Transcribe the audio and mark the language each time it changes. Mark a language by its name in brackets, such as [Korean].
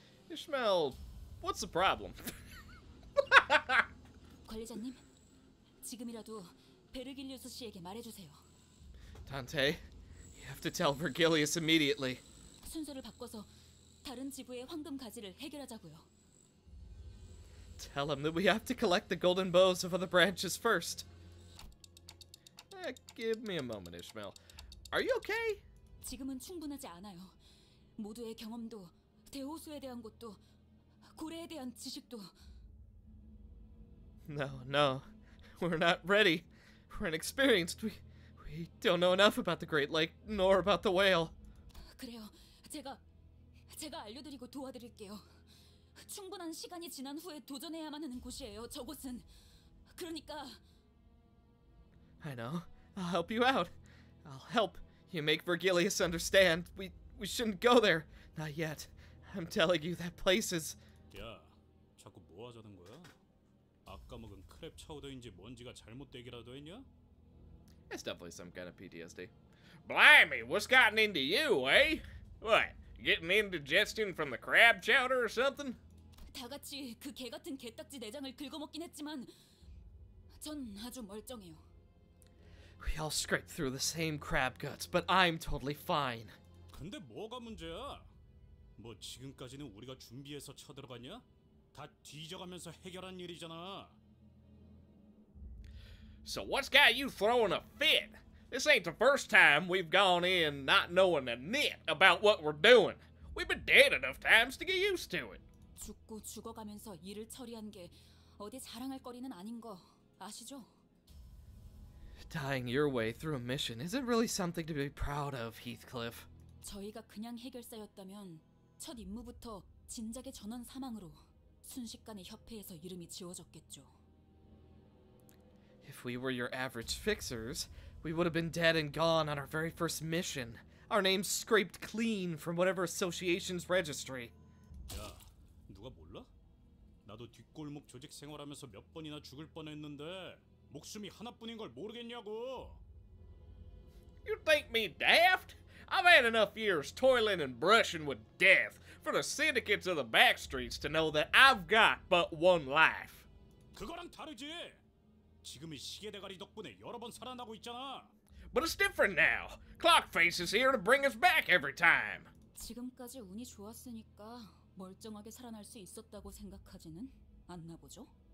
[English] Ishmael, what's the problem? [Korean] 관리자님, 지금이라도 베르길리우스 씨에게 말해주세요. [English] Dante, you have to tell Virgilius immediately. [Korean] 순서를 바꿔서 다른 지부의 황금 가지를 해결하자고요. [English] Tell him that we have to collect the golden bows of other branches first. Give me a moment, Ishmael. Are you okay? [Korean] 지금은 충분하지 않아요. 모두의 경험도, 대호수에 대한 것도, 고래에 대한 지식도. [English] No, no. We're not ready. We're inexperienced. We don't know enough about the Great Lake, nor about the whale. [Korean] 그래요. 제가 알려드리고 도와드릴게요. 충분한 시간이 지난 후에 도전해야만 하는 곳이에요, 저곳은. 그러니까... [English] I know. I'll help you out. I'll help you make Virgilius understand. We shouldn't go there. Not yet. I'm telling you, that place is... [Korean] 야, 자꾸 뭐 하자는 거야? 아까 먹은 크랩 차우더인지 뭔지가 잘못되기라도 했냐? [English] It's definitely some kind of PTSD. Blimey, what's gotten into you, eh? What, getting indigestion from the crab chowder or something? [Korean] 다 같이 그 개 같은 개딱지 내장을 긁어먹긴 했지만 전 아주 멀쩡해요. [English] We all scraped through the same crab guts, but I'm totally fine. [Korean] 근데 뭐가 문제야? 뭐 지금까지는 우리가 준비해서 쳐들어갔냐? 다 뒤져가면서 해결한 일이잖아. [English] So what's got you throwing a fit? This ain't the first time we've gone in not knowing a nit about what we're doing. We've been dead enough times to get used to it. [Korean] 죽고 죽어가면서 일을 처리한 게 어디 자랑할 거리는 아닌 거 아시죠? [English] Dying your way through a mission isn't really something to be proud of, Heathcliff. [Korean] 저희가 그냥 해결사였다면 첫 임무부터 진작에 전원 사망으로 순식간에 협회에서 이름이 지워졌겠죠. [English] If we were your average fixers, we would have been dead and gone on our very first mission. Our names scraped clean from whatever association's registry. [Korean] 야, 누가 몰라? 나도 뒷골목 조직 생활하면서 몇 번이나 죽을 뻔했는데 목숨이 하나뿐인 걸 모르겠냐고. [English] You think me daft? I've had enough years toiling and brushing with death for the syndicates of the backstreets to know that I've got but one life. [Korean] 그거랑 다르지. 지금이 시계대가리 덕분에 여러 번 살아나고 있잖아. [English] But it's different now. Clockface is here to bring us back every time. [Korean] 지금까지 운이 좋았으니까 멀쩡하게 살아날 수 있었다고 생각하지는 않나 보죠?